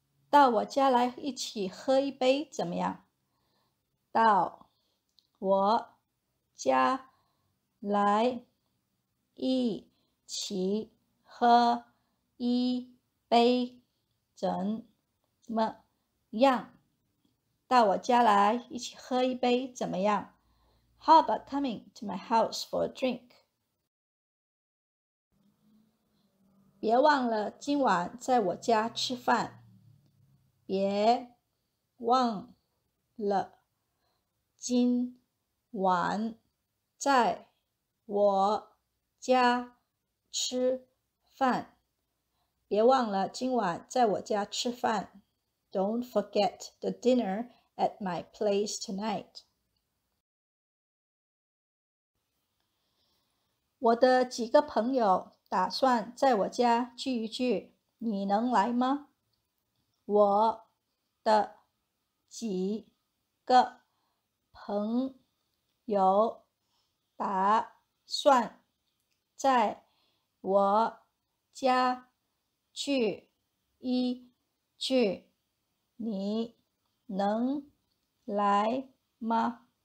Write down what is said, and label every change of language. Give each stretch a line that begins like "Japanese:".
Chinese: 到我家来一起喝一杯怎么样？到我家来一起喝一杯怎么样？到我家来一起喝一杯怎么样？
English: How about coming to my house for a drink?
Chinese: 别忘了今晚在我家吃饭。别忘了今晚在我家吃饭。别忘了今晚在我家吃饭。
English: Don't forget the dinner at my place tonight.
Chinese: 我的几个朋友打算在我家聚一聚，你能来吗？我的几个朋友打算在我家聚一聚，你能来吗？